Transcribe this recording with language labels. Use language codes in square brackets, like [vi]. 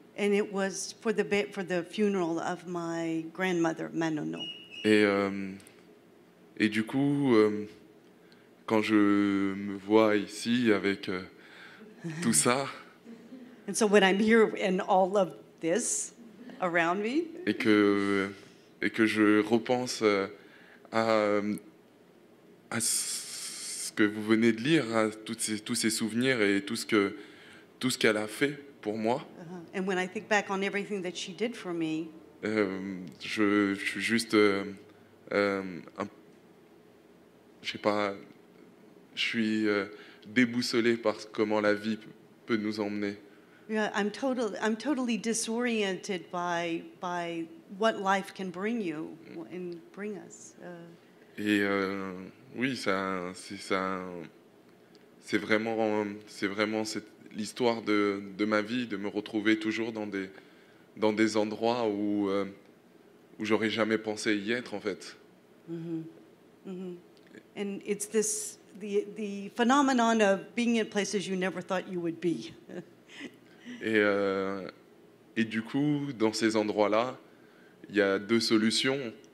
[en] And it was for the funeral of my grandmother, [fr] ma nono. Et du coup, quand je me vois ici avec tout ça. [en] And so when I'm here and all of this around me. [fr] Et que je repense à ce que vous venez de lire, à tous ces souvenirs et tout ce qu'elle a fait pour moi. Uh-huh. [en] And when I think back on everything that she did for me. [fr] Je suis juste je sais pas, je suis déboussolé par comment la vie peut nous emmener. [en] Yeah, I'm totally disoriented by what life can bring you and bring us. [fr] C'est vraiment cette l'histoire de ma vie, de me retrouver toujours dans des endroits où j'aurais jamais pensé y être en fait. Mm-hmm. Mm-hmm. [en] And it's this the phenomenon of being in places you never thought you would be. [fr] Et du coup, dans ces endroits-là, il y a deux solutions.